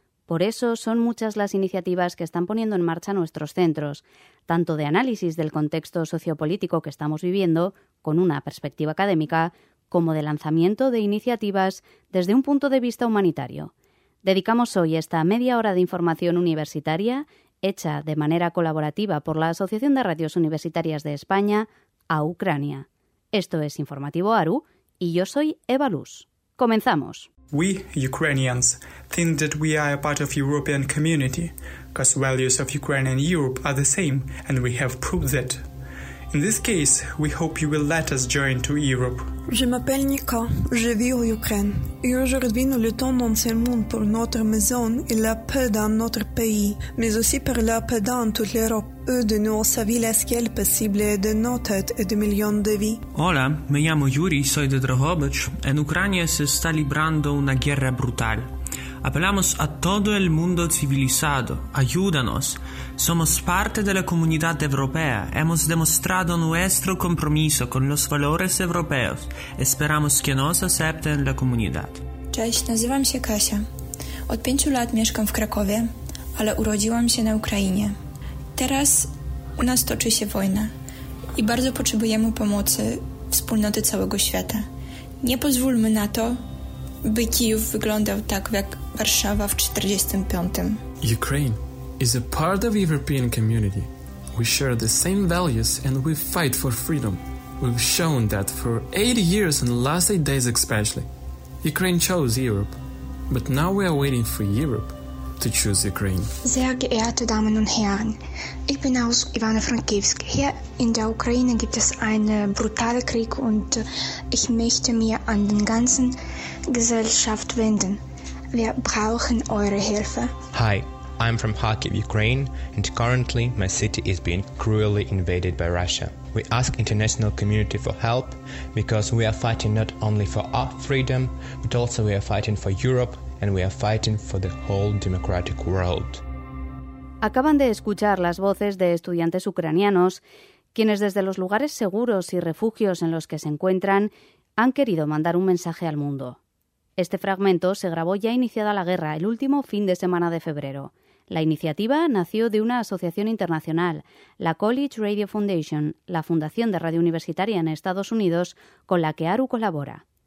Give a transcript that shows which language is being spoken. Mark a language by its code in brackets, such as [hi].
[es] Por eso son muchas las iniciativas que están poniendo en marcha nuestros centros, tanto de análisis del contexto sociopolítico que estamos viviendo, con una perspectiva académica, como de lanzamiento de iniciativas desde un punto de vista humanitario. Dedicamos hoy esta media hora de información universitaria, hecha de manera colaborativa por la Asociación de Radios Universitarias de España, a Ucrania. Esto es Informativo ARU y yo soy Eva Luz. ¡Comenzamos! [en] We, Ukrainians, think that we are a part of European community, because values of Ukraine and Europe are the same, and we have proved that. In this case, we hope you will let us join to Europe. [fr] Je m'appelle Nika, je vis en Ukraine. Et aujourd'hui, nous luttons non seulement pour notre maison et la paix dans notre pays, mais aussi pour la paix dans toute l'Europe. Eux de nous ont savé la scale possible de nos têtes et de millions de vies. [es] Hola, me llamo Yuri, soy de Drohobych, en Ucrania se está librando una guerra brutal. Apelamos a todo el mundo civilizado, ayúdanos. Somos parte de la comunidad europea, hemos demostrado nuestro compromiso con los valores europeos. Esperamos que nos acepten la comunidad. [pl] Cześć, nazywam się Kasia. Od 5 lat mieszkam w Krakowie, ale urodziłam się na Ukrainie. Teraz u nas toczy się wojna i bardzo potrzebujemy pomocy wspólnoty całego świata. Nie pozwólmy na to, by Kijów wyglądał tak jak Warszawa w 45. [en] Ukraine is a part of European community. We share the same values and we fight for freedom. We've shown that for 80 years and the last 8 days especially. Ukraine chose Europe, but now we are waiting for Europe to choose Ukraine. [de] Sehr geehrte Damen und Herren, ich bin aus Ivano-Frankivsk. Hier in der Ukraine gibt es einen brutalen Krieg und ich möchte mich an den ganzen Gesellschaft wenden. Wir brauchen eure Hilfe. [en] Hi, I'm from Kharkiv, Ukraine, and currently my city is being cruelly invaded by Russia. We ask international community for help because we are fighting not only for our freedom, but also we are fighting for Europe and we are fighting for the whole democratic world. [es] Acaban de escuchar las voces de estudiantes ucranianos, quienes desde los lugares seguros y refugios en los que se encuentran han querido mandar un mensaje al mundo. Este fragmento se grabó ya iniciada la guerra, el último fin de semana de febrero. La iniciativa nació de una asociación internacional, la College Radio Foundation, la Fundación de Radio Universitaria en Estados Unidos, con la que ARU colabora.